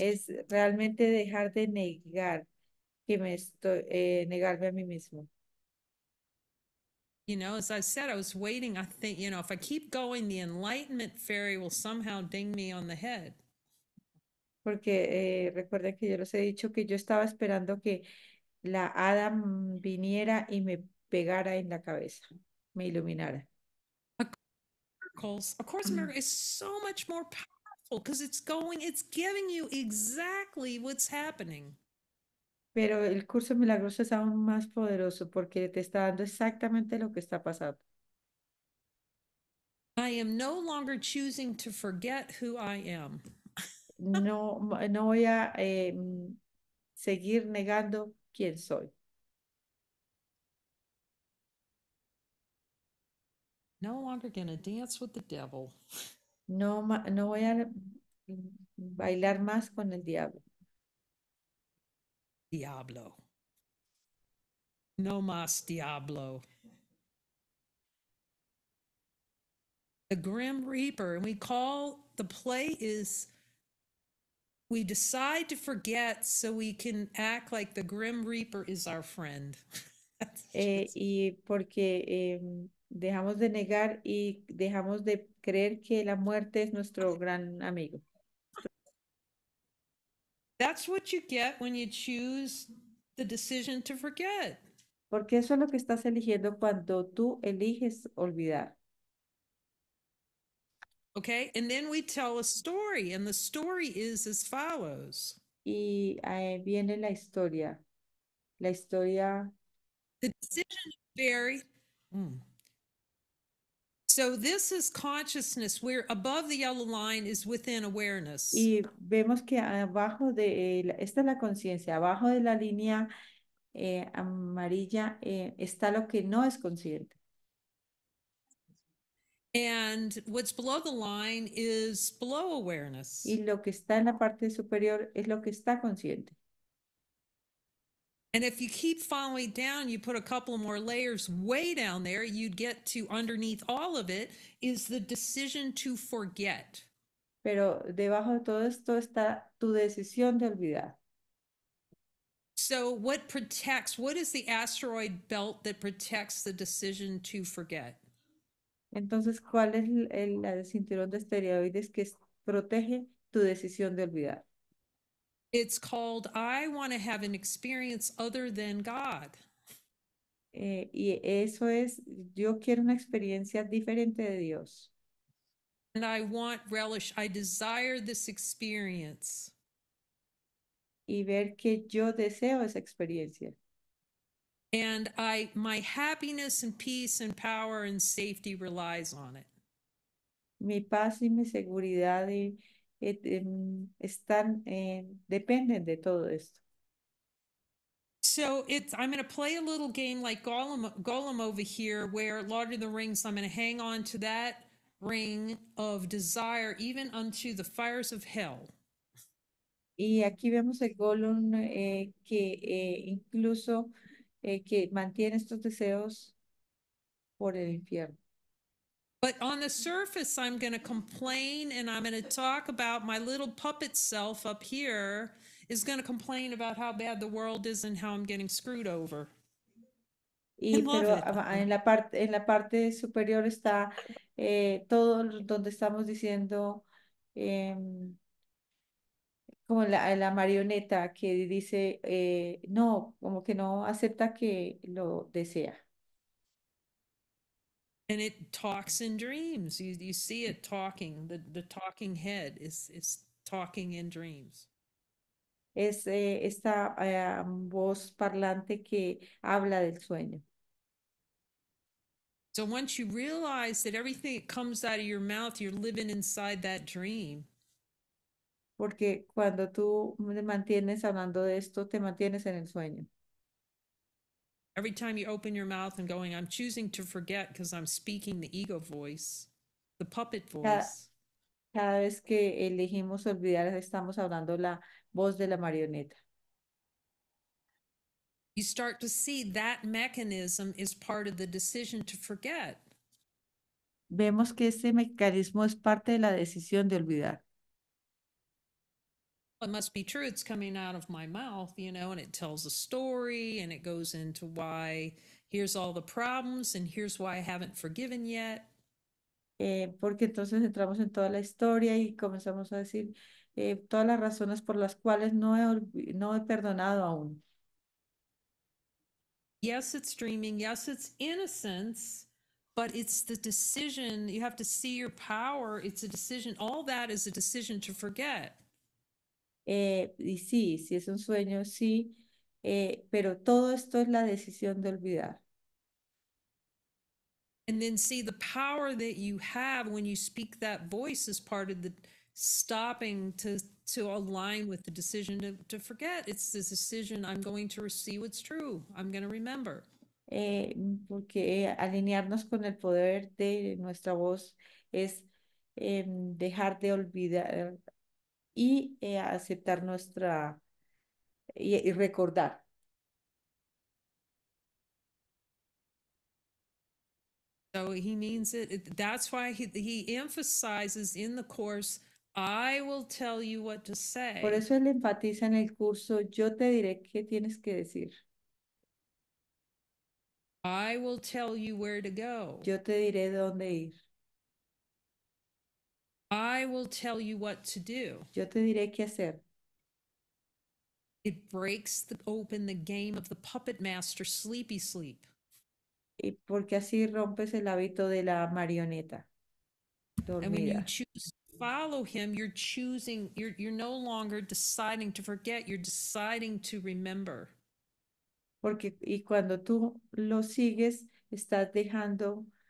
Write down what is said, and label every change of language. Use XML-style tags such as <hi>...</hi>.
<es>es realmente dejar de negar que me estoy negarme a mí mismo.</es> <en>As I said, I was waiting. I think, if I keep going, the enlightenment fairy will somehow ding me on the head.</en> <es>Porque recuerden que yo les he dicho que yo estaba esperando que la hada viniera y me pegara en la cabeza, me iluminara.</es> <en>Course, of course, America is so much more powerful because it's giving you exactly what's happening.</en> <es>Pero el curso milagroso es aún más poderoso porque te está dando exactamente lo que está pasando.</es> <en>I am no longer choosing to forget who I am.</en> <es>No voy a seguir negando quién soy.</es> <en>No longer gonna dance with the devil.</en> <es>No voy a bailar más con el diablo. Diablo. No más diablo.</es> <en>The Grim Reaper, and we call the play is we decide to forget so we can act like the Grim Reaper is our friend. That's just.</en> <es>Y porque dejamos de negar y dejamos de creer que la muerte es nuestro gran amigo.</es> <en>That's what you get when you choose the decision to forget.</en> <es>Porque eso es lo que estás eligiendo cuando tú eliges olvidar.</es> <en>Okay, and then we tell a story, and the story is as follows.</en> <es>Y ahí viene la historia. La historia.</es> <en>The decision fairy, So this is consciousness, where above the yellow line is within awareness.</en> <es>Y vemos que abajo de esta es la conciencia, abajo de la línea amarilla está lo que no es consciente.</es> <en>And what's below the line is below awareness.</en> <es>Y lo que está en la parte superior es lo que está consciente.</es> <en>And if you keep following down, you put a couple of more layers way down there, you'd get to underneath all of it is the decision to forget.</en> <es>Pero debajo de todo esto está tu decisión de olvidar.</es> <en>So what protects, what is the asteroid belt that protects the decision to forget?</en> <es>Entonces, ¿cuál es el cinturón de esteroides que protege tu decisión de olvidar?</es> <en>It's called I want to have an experience other than God.</en> <es>Y eso es, yo quiero una experiencia diferente de Dios.</es> <en>And I want relish, I desire this experience.</en> <es>Y ver que yo deseo esa experiencia.</es> <en>And I, my happiness and peace and power and safety relies on it.</en> <es>Mi paz y mi seguridad están dependen de todo esto.</es> <en>So it's, I'm going to play a little game like Golem over here, where Lord of the Rings, I'm going to hang on to that ring of desire, even unto the fires of hell.</en> <es>Y aquí vemos el Gollum que incluso que mantiene estos deseos por el infierno.</es> <en>But on the surface, I'm going to complain and I'm going to talk about my little puppet self up here is going to complain about how bad the world is and how I'm getting screwed over.</en> <es>Y</es> <en>And love</en> <es>pero</es> <en>it.</en> <es>en la parte superior está todo donde estamos diciendo como la marioneta que dice no, como que no acepta que lo desea.</es> <en>And it talks in dreams. You see it talking. The talking head is talking in dreams.</en> <es>Es esta voz parlante que habla del sueño.</es> <en>So once you realize that everything that comes out of your mouth, you're living inside that dream.</en> <es>Porque cuando tú te mantienes hablando de esto, te mantienes en el sueño.</es> <en>Every time you open your mouth and going, I'm choosing to forget because I'm speaking the ego voice, the puppet voice.</en> <es>Cada vez que elegimos olvidar, estamos hablando la voz de la marioneta.</es> <en>You start to see that mechanism is part of the decision to forget.</en> <es>Vemos que ese mecanismo es parte de la decisión de olvidar.</es> <en>It must be true, it's coming out of my mouth, you know, and it tells a story and it goes into why, here's all the problems and here's why I haven't forgiven yet.</en> <es>Porque entonces entramos en toda la historia y comenzamos a decir todas las razones por las cuales no he perdonado aún.</es> <en>Yes, it's dreaming. Yes, it's innocence, but it's the decision. You have to see your power. It's a decision. All that is a decision to forget.</en> <es>Y sí, sí es un sueño, sí, pero todo esto es la decisión de olvidar.</es> <en>And then see the power that you have when you speak that voice is part of the stopping to align with the decision to forget. It's the decision, I'm going to receive what's true. I'm going to remember.</en> <es>Porque alinearnos con el poder de nuestra voz es dejar de olvidar y aceptar nuestra y recordar.</es> <en>So he means it. That's why he emphasizes in the course, I will tell you what to say.</en> <es>Por eso él enfatiza en el curso, yo te diré qué tienes que decir.</es> <en>I will tell you where to go.</en> <es>Yo te diré dónde ir.</es> <en>I will tell you what to do.</en> <es>Yo te diré qué hacer.</es> <en>It breaks open the game of the puppet master, sleepy sleep.</en> <es>Y porque así rompes el hábito de la marioneta dormida.</es> <en>Follow him, you're choosing, you're no longer deciding to forget, you're deciding to remember.</en> <es>Porque y cuando tú lo sigues, estás dejando</es>